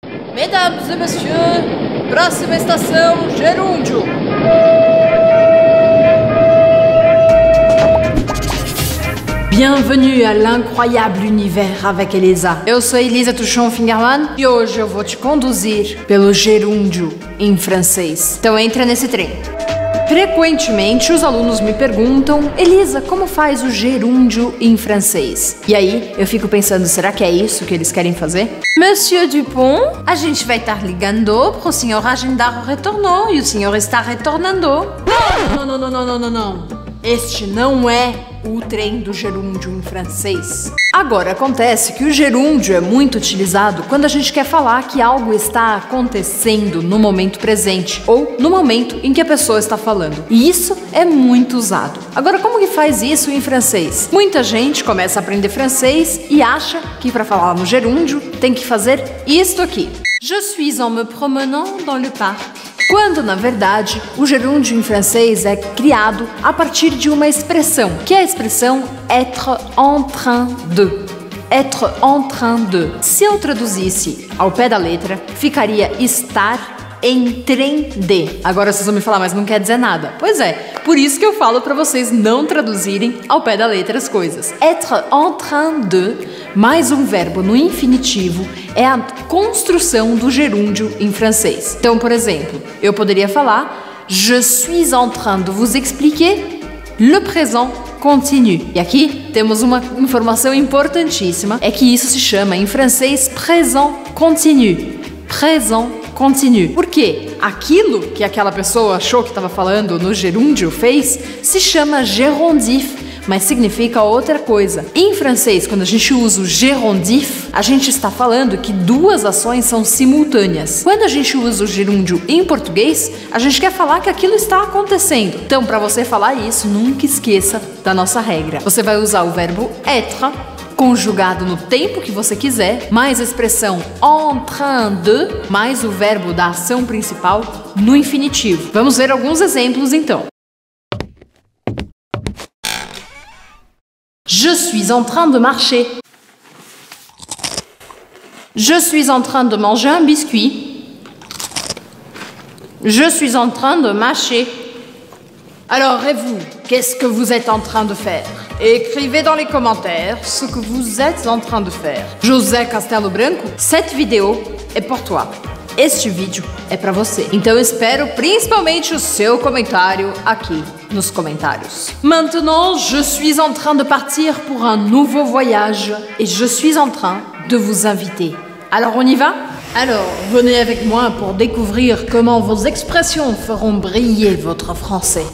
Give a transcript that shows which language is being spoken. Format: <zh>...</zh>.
<fr>Mesdames et messieurs,</fr> <pt>próxima estação, Gerúndio.</pt> <fr>Bienvenue à l'incroyable univers avec Elisa.</fr> <pt>Eu sou Elisa Tuchon-Fingerman e hoje eu vou te conduzir pelo Gerúndio em francês. Então entra nesse trem. Frequentemente os alunos me perguntam: Elisa, como faz o gerúndio em francês? E aí eu fico pensando, será que é isso que eles querem fazer? Monsieur Dupont, a gente vai estar ligando para o senhor agendar o retorno e o senhor está retornando. Não. Este não é o trem do gerúndio em francês. Agora, acontece que o gerúndio é muito utilizado quando a gente quer falar que algo está acontecendo no momento presente ou no momento em que a pessoa está falando. E isso é muito usado. Agora, como que faz isso em francês? Muita gente começa a aprender francês e acha que para falar no gerúndio tem que fazer isto aqui.</pt> <fr>Je suis en me promenant dans le parc.</fr> <pt>Quando, na verdade, o gerúndio em francês é criado a partir de uma expressão, que é a expressão</pt> <fr>être en train de. Être en train de.</fr> <pt>Se eu traduzisse ao pé da letra, ficaria estar em trem de. Agora vocês vão me falar, mas não quer dizer nada. Pois é, por isso que eu falo para vocês não traduzirem ao pé da letra as coisas.</pt> <fr>Être en train de,</fr> <pt>mais um verbo no infinitivo, é a construção do gerúndio em francês. Então, por exemplo, eu poderia falar:</pt> <fr>Je suis en train de vous expliquer le présent continu.</fr> <pt>E aqui temos uma informação importantíssima: é que isso se chama em francês</pt> <fr>présent continu. Présent continu.</fr> <pt>Por quê? Aquilo que aquela pessoa achou que estava falando no gerúndio fez se chama gerondif, mas significa outra coisa. Em francês, quando a gente usa o gerondif, a gente está falando que duas ações são simultâneas. Quando a gente usa o gerúndio em português, a gente quer falar que aquilo está acontecendo. Então, para você falar isso, nunca esqueça da nossa regra. Você vai usar o verbo être, conjugado no tempo que você quiser, mais a expressão</pt> <fr>en train de,</fr> <pt>mais o verbo da ação principal no infinitivo. Vamos ver alguns exemplos então.</pt> <fr>Je suis en train de marcher. Je suis en train de manger un biscuit. Je suis en train de mâcher. Alors, et vous, qu'est-ce que vous êtes en train de faire? Écrivez dans les commentaires ce que vous êtes en train de faire. José Castelo Branco, cette vidéo est pour toi.</fr> <pt>Este vídeo é para você. Então, espero principalmente o seu comentário aqui nos comentários.</pt> <fr>Maintenant, je suis en train de partir pour un nouveau voyage et je suis en train de vous inviter. Alors, on y va? Alors, venez avec moi pour découvrir comment vos expressions feront briller votre français.</fr>